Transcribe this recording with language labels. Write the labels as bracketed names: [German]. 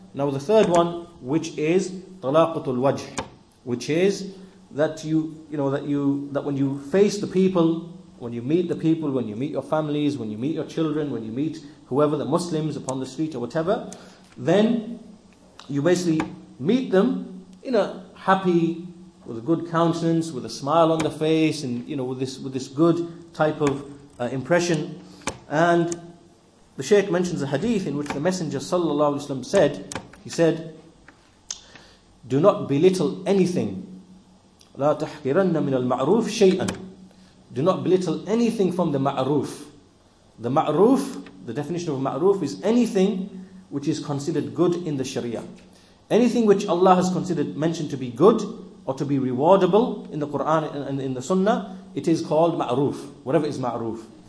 [English] Now the third one, which is talaqatul wajh, which is that when you face the people, when you meet the people, when you meet your families, when you meet your children, when you meet whoever, the Muslims upon the street or whatever, then you basically meet them in a happy, with a good countenance, with a smile on the face, and you know, with this good type of impression. And the Shaykh mentions a hadith in which the Messenger sallallahu alaihi wasallam said, "Do not belittle anything. [Arabic] لا تحقرن من المعروف شيئا." [English] Do not belittle anything from the ma'roof. The ma'roof, the definition of ma'roof, is anything which is considered good in the Sharia. Anything which Allah has considered, mentioned to be good or to be rewardable in the Quran and in the Sunnah, it is called ma'roof, whatever is ma'roof.